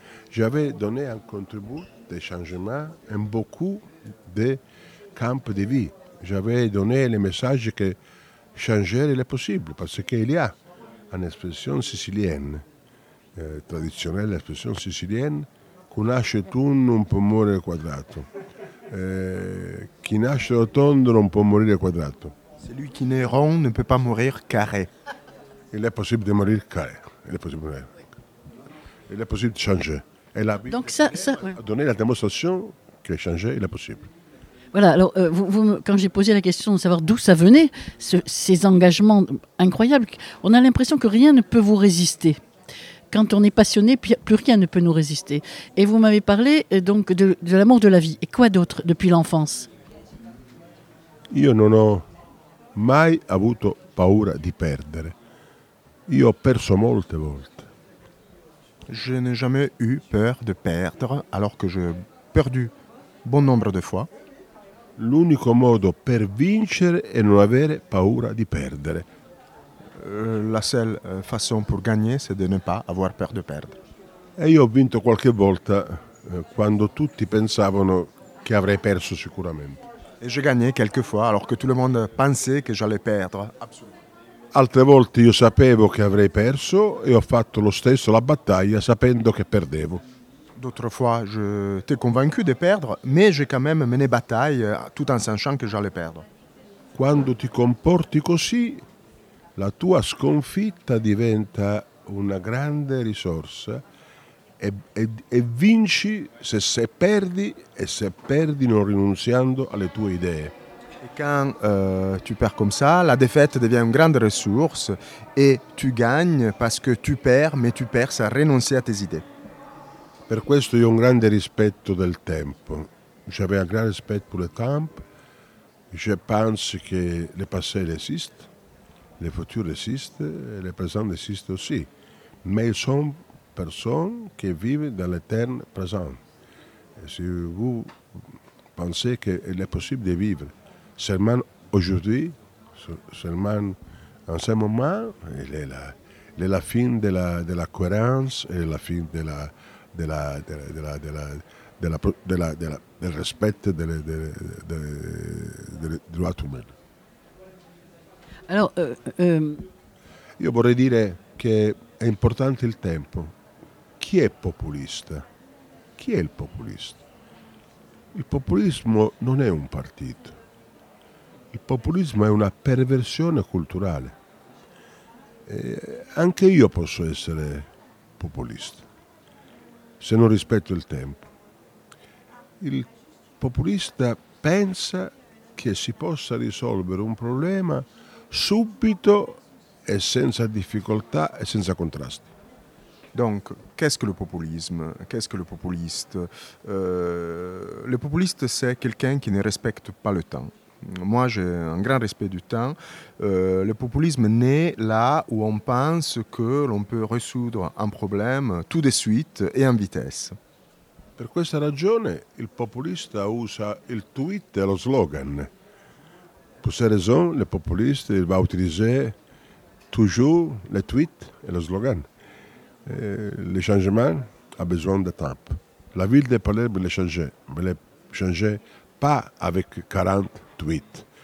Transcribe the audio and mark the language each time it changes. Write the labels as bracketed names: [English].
[French] J'avais donné un contribut de changement en beaucoup de camps de vie. J'avais donné le message que changer est possible, parce qu'il y a une expression sicilienne, traditionnelle expression sicilienne, [Italian] qui nasce tondo non può morire quadrato. Qui nasce rotondo non può morire quadrato. [French] Celui qui naît rond ne peut pas mourir carré. Il est possible de mourir carré. Il est possible de mourir. Il est possible de changer. Et la vie, donc ça ouais. Donner la démonstration que changer, il est possible. Voilà, alors quand j'ai posé la question de savoir d'où ça venait, ces engagements incroyables, on a l'impression que rien ne peut vous résister. Quand on est passionné, plus rien ne peut nous résister. Et vous m'avez parlé donc de l'amour de la vie. Et quoi d'autre depuis l'enfance ? [Italian] Io non ho mai avuto paura di perdere. Io ho perso molte volte. [French] Je n'ai jamais eu peur de perdre, alors que j'ai perdu bon nombre de fois. [Italian] L'unico modo per vincere è non avere paura di perdere. [French] La seule façon pour gagner, c'est de ne pas avoir peur de perdre. [Italian] E io ho vinto qualche volta quando tutti pensavano che avrei perso sicuramente. [French] Et j'ai gagné quelques fois alors que tout le monde pensait que j'allais perdre. Absolument. [Italian] Altre volte io sapevo che avrei perso e ho fatto lo stesso la battaglia sapendo che perdevo. [French] D'autres fois, je t'ai convaincu de perdre, mais j'ai quand même mené bataille tout en sachant que j'allais perdre. [Italian] Quando ti comporti così, la tua sconfitta diventa una grande risorsa e vinci se perdi e se perdi non rinunciando alle tue idee. [French] Et quand tu perds comme ça, la défaite devient une grande ressource et tu gagnes parce que tu perds, mais tu perds sans renoncer à tes idées. [Italian] Per questo io ho un grande rispetto del tempo. [French] J'avais un grand respect pour le temps. Je pense que le passé existe, le futur existe, et le présent existe aussi. Mais ils sont personnes qui vivent dans l'éternel présent. Et si vous pensez qu'il est possible de vivre seulement aujourd'hui, seulement en ce moment, il est la fin de la cohérence et la fin de la. [Italian] Del rispetto delle [French] droits humains. Alors, [Italian] io vorrei dire che è importante il tempo. Chi è populista? Chi è il populista? Il populismo non è un partito. Il populismo è una perversione culturale. Anche io posso essere populista. Se non rispetto il tempo. Il populista pensa che si possa risolvere un problema subito e senza difficoltà e senza contrasti. [French] Donc, qu'est-ce que le populisme? Qu'est-ce que le populiste? Le populiste, c'est quelqu'un qui ne respecte pas le temps. Moi, j'ai un grand respect du temps. Le populisme naît là où on pense que l'on peut résoudre un problème tout de suite et en vitesse. [Italian] Per questa ragione, il populista usa il tweet e lo slogan. [French] Pour cette raison, le populiste va utiliser toujours le tweet et le slogan. Le changement a besoin de temps. La ville de Palermo le changer, mais le changer pas avec 40 tweet.